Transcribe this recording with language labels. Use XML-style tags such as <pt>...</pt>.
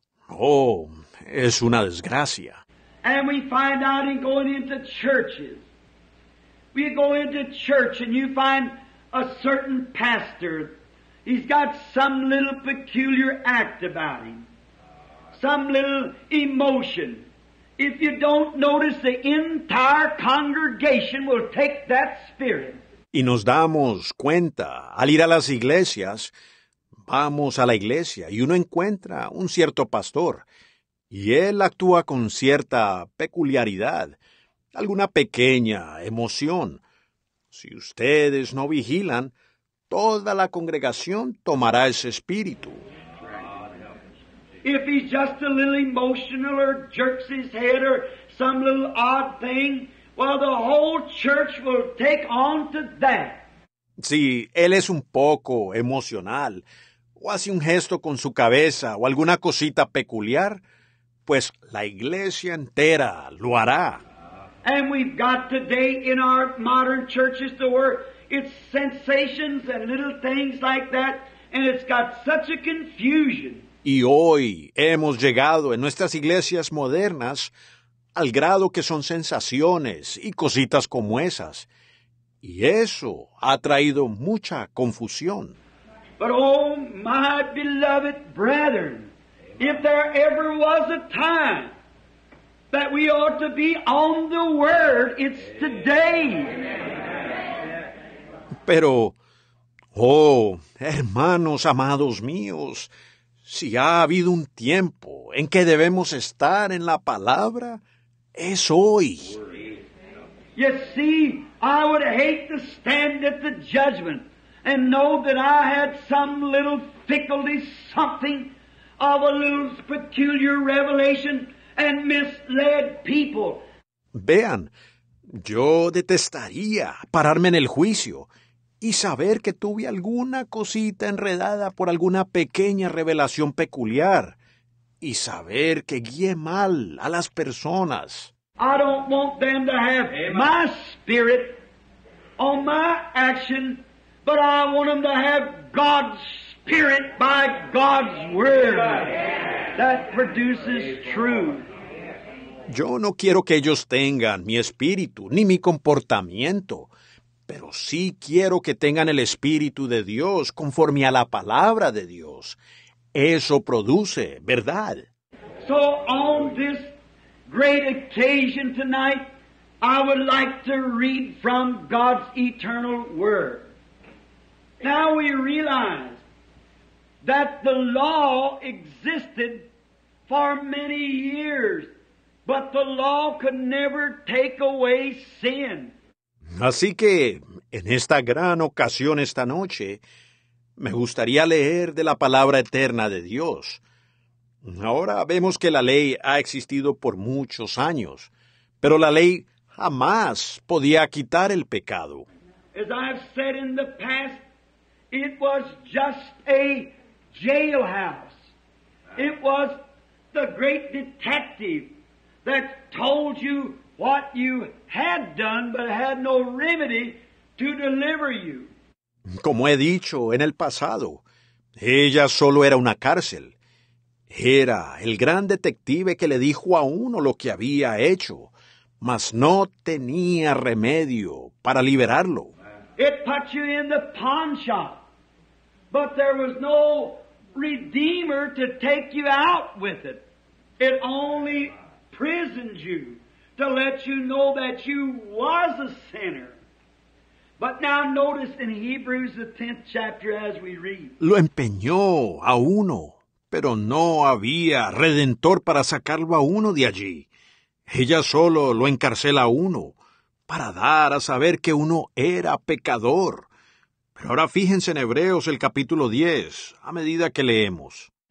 <es>Oh, es una desgracia.</es> <en>And we find out in going into churches. We go into church and you find a certain pastor. He's got some little peculiar act about him. Some little emotion. If you don't notice, the entire congregation will take that spirit.</en> <es>Y nos damos cuenta, al ir a las iglesias, vamos a la iglesia y uno encuentra un cierto pastor y él actúa con cierta peculiaridad, alguna pequeña emoción. Si ustedes no vigilan, toda la congregación tomará ese espíritu.</es> <en>If he's just a little emotional or jerks his head or some little odd thing, well, the whole church will take on to that.</en> <es>Si él es un poco emocional o hace un gesto con su cabeza o alguna cosita peculiar, pues la iglesia entera lo hará.</es> <en>And we've got today in our modern churches the word, it's sensations and little things like that, and it's got such a confusion.</en> <es>Y hoy hemos llegado en nuestras iglesias modernas al grado que son sensaciones y cositas como esas. Y eso ha traído mucha confusión.</es> <en>But oh, my beloved brethren, if there ever was a time that we ought to be on the Word, it's today.</en> <es>Pero, oh, hermanos amados míos, si ha habido un tiempo en que debemos estar en la palabra, es hoy.</es> <en>You see, I would hate to stand at the judgment and know that I had some little fickle something of a little peculiar revelation and misled people.</en> <es>Vean, yo detestaría pararme en el juicio y saber que tuve alguna cosita enredada por alguna pequeña revelación peculiar, y saber que guié mal a las personas.</es> <en>I don't want them to have my spirit on my action, but I want them to have God's spirit by God's word that produces truth.</en> <es>Yo no quiero que ellos tengan mi espíritu ni mi comportamiento, pero sí quiero que tengan el Espíritu de Dios conforme a la palabra de Dios. Eso produce verdad.</es> <en>So on this great occasion tonight, I would like to read from God's eternal word. Now we realize that the law existed for many years, but the law could never take away sin.</en> <es>Así que, en esta gran ocasión esta noche, me gustaría leer de la palabra eterna de Dios. Ahora vemos que la ley ha existido por muchos años, pero la ley jamás podía quitar el pecado.</es> <en>As I have said in the past, it was just a jailhouse. It was the great detective that told you what you had done but had no remedy to deliver you.</en> <es>Como he dicho en el pasado, ella solo era una cárcel. Era el gran detective que le dijo a uno lo que había hecho, mas no tenía remedio para liberarlo.</es> <en>It put you in the pawn shop, but there was no redeemer to take you out with it. It only prisoned you to let you know that you was a sinner. But now notice in Hebrews the 10th chapter as we read.</en> <es>Lo empeñó a uno, pero no había redentor para sacarlo a uno de allí. Ella solo lo encarcela a uno para dar a saber que uno era pecador. Pero ahora fíjense en Hebreos el capítulo 10, a medida que leemos.</es>